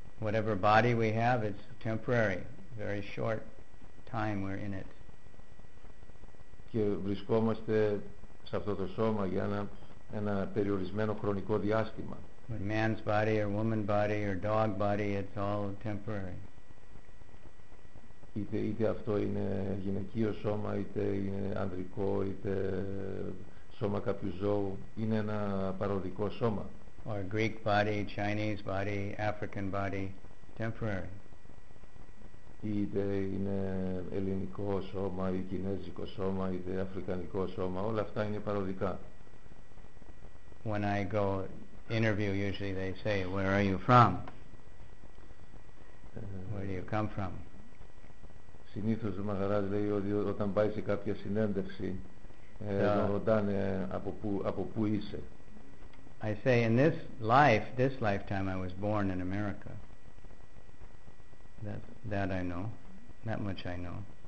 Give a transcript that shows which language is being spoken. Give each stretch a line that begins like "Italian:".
English: Whatever body we have, it's temporary. Very short time we're in it.
Greek: Και βρισκόμαστε σε αυτό το σώμα για ένα περιορισμένο χρονικό διάστημα.
English: When man's body or woman body or dog body, it's all temporary.
Greek: Είτε αυτό είναι γυναικείο σώμα, είτε είναι ανδρικό, είτε σώμα κάποιου ζώου, είναι ένα παροδικό σώμα.
English: Or Greek body, Chinese body, African body, temporary.
Greek: Είτε είναι ελληνικό σώμα ή κινέζικο σώμα είτε αφρικανικό σώμα, όλα αυτά είναι παροδικά.
English: When I go interview, usually they say, where are you from? Where do you come from?
Greek: Συνήθως ο Μαχαράς λέει ότι όταν πάει σε κάποια συνέντευξη, ρωτάνε από πού είσαι.
English: I say, in this life, this lifetime, I was born in America. That I know, that much I know.